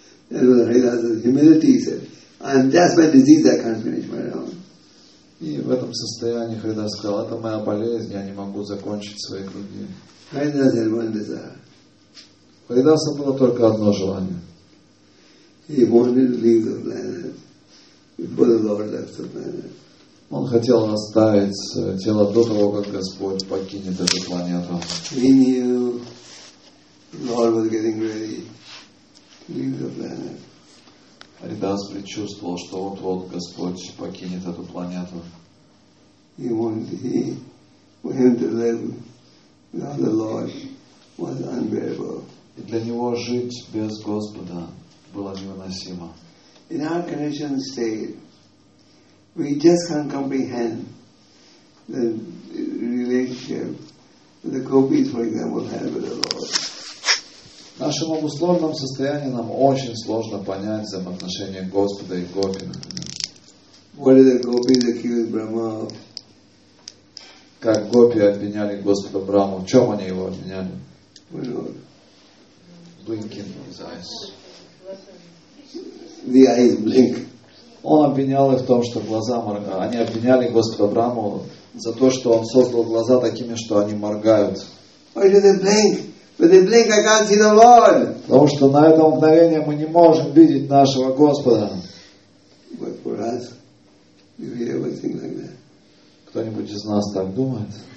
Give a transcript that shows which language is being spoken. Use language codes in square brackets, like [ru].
[en] And that's my disease that I can't finish my round. [ru] И в этом состоянии Харидас сказал, это моя болезнь, я не могу закончить свои круги. [en] Харидас had one desire. [ru] Харидаса было только одно желание. [en] He wanted to leave the planet before the Lord left the planet. [ru] Он хотел оставить тело до того, как Господь покинет эту планету. [en] He knew the Lord was getting ready to leave the planet. [ru] Харидас предчувствовал, что вот-вот Господь покинет эту планету. И для него жить без Господа было невыносимо. [en] In our condition state, we just can't comprehend the relationship that the gopis, for example, have with the Lord. [ru] На нашем обусловленном состоянии нам очень сложно понять взаимоотношения Господа и Гопи, например. Как Гопи обвиняли Господа Браму. В чем они его обвиняли? [en] Blinking his eyes. The eyes blink. [ru] Он обвинял их в том, что глаза моргают. Они обвиняли Господа Браму за то, что он создал глаза такими, что они моргают. [en] Why do they blink? When they blink, I can't see the Lord. [ru] Потому что на это мгновение мы не можем видеть нашего Господа. [en] But for us, if we ever think like that. [ru] Кто-нибудь из нас так думает?